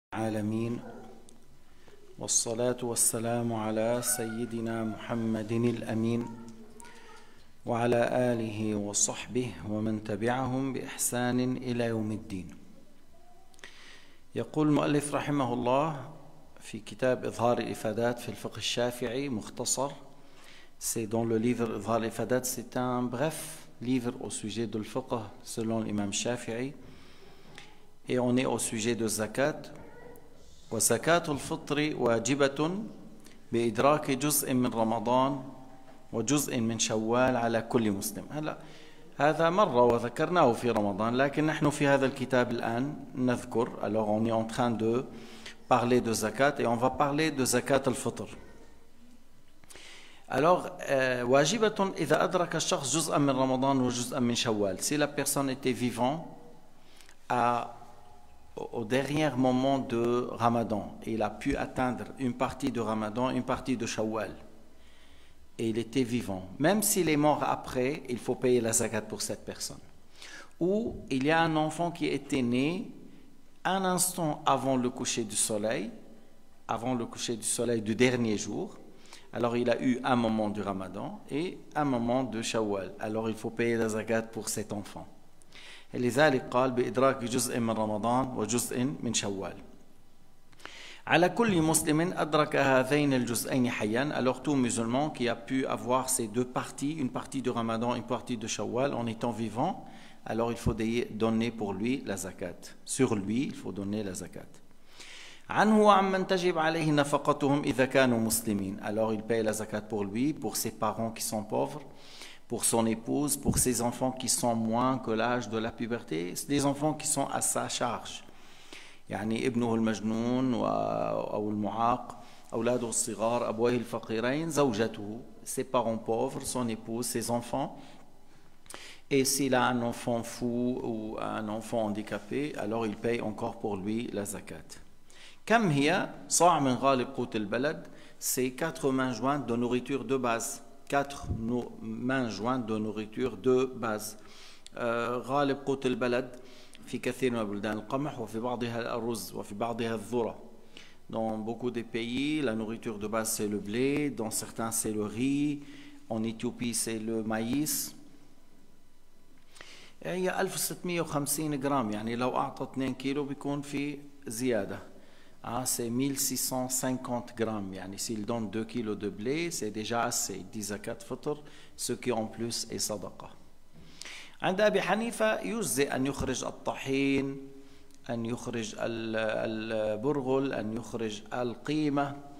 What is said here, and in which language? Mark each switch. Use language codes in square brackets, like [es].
[ar] العالمين والصلاة والسلام على سيدنا محمد الأمين وعلى آله وصحبه ومن تبعهم بإحسان إلى يوم الدين. يقول المؤلف رحمه الله في كتاب إظهار الإفادات في الفقه الشافعي مختصر. [fr] C'est dans le livre إظهار الإفادات. C'est un bref livre au sujet du fiqh selon l'imam Shafi'i. Et on est au sujet de zakat. [ar] وزكاة الفطر واجبة بإدراك جزء من رمضان وجزء من شوال على كل مسلم. هلا هذا مرة وذكرناه في رمضان، لكن نحن في هذا الكتاب الآن نذكر. [fr] Alors on est en train de parler de zakat et on va parler de zakat al-fitr. Alors [ar] واجبة إذا أدرك الشخص جزء من رمضان وجزء من شوال. [fr] Si la personne était vivante à au dernier moment de Ramadan, il a pu atteindre une partie de Ramadan, une partie de Shawwal, et il était vivant. Même s'il est mort après, il faut payer la zakat pour cette personne. Ou il y a un enfant qui était né un instant avant le coucher du soleil, avant le coucher du soleil du dernier jour. Alors il a eu un moment du Ramadan et un moment de Shawwal. Alors il faut payer la zakat pour cet enfant. [ar] لذلك قال بإدراك جزء من رمضان وجزء من شوال على كل مسلم أدرك هذين الجزئين حيا. [fr] Alors tout musulman qui a pu avoir ces deux parties, une partie de Ramadan, une partie de Shawwal, en étant vivant, alors il faut donner pour lui la zakat. Sur lui, il faut donner la zakat. [ar] عنه وعمن تجب عليه نفقتهم إذا كانوا مسلمين. [fr] Alors il paye la zakat pour lui, pour ses parents qui sont pauvres, pour son épouse, pour ses enfants qui sont moins que l'âge de la puberté, des enfants qui sont à sa charge. [ar] يعني ابنه المجنون أو المعاق أولاده الصغار أبويه الفقيرين زوجته. [fr] Ses parents pauvres, son épouse, ses enfants. Et s'il a un enfant fou ou un enfant handicapé, alors il paye encore pour lui la zakat. [ar] كم هي صاع من غالب قوت البلد. [fr] C'est 4 mains jointes de nourriture de base. 4 mains jointes de nourriture de base. [ar] غالب قوت البلد في كثير من البلدان القمح وفي بعضها الأرز وفي بعضها الذرة. [fr] Dans beaucoup de pays, la nourriture de base c'est le blé, dans certains c'est le riz, en Éthiopie c'est le maïs. [ar] هي 1650 غرام، يعني لو أعطى 2 كيلو بيكون في زيادة. [fr] Ah, c'est 1650 grammes. S'il donne 2 kilos de blé, c'est déjà assez. 10 à 4 fitr, ce qui en plus est sadaqa. [ar] عند أبي حنيفة يجزي أن يخرج الطحين، أن يخرج البرغل، أن يخرج القيمة.